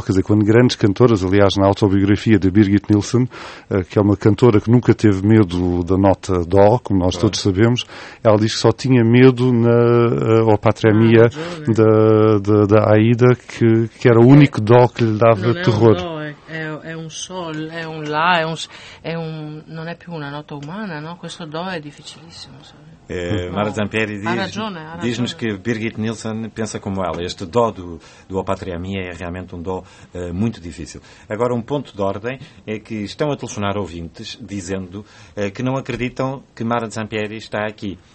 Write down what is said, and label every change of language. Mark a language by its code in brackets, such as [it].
[pt] Quer dizer, quando grandes cantoras, aliás, na autobiografia de Birgit Nilsson, que é uma cantora que nunca teve medo da nota dó, como nós todos sabemos, ela diz que só tinha medo na Pátria Mia da Aida, que era o único dó que lhe dava não terror. Não é o dó, [it] è un sol, è un la, non è più una nota umana, no? Questo do è difficilissimo. [pt] Mara Zampieri diz-nos que Birgit Nilsson pensa como ela. Este dó do O Patria Mia é realmente um dó muito difícil. Agora, um ponto de ordem é que estão a telefonar ouvintes dizendo que não acreditam que Mara Zampieri está aqui.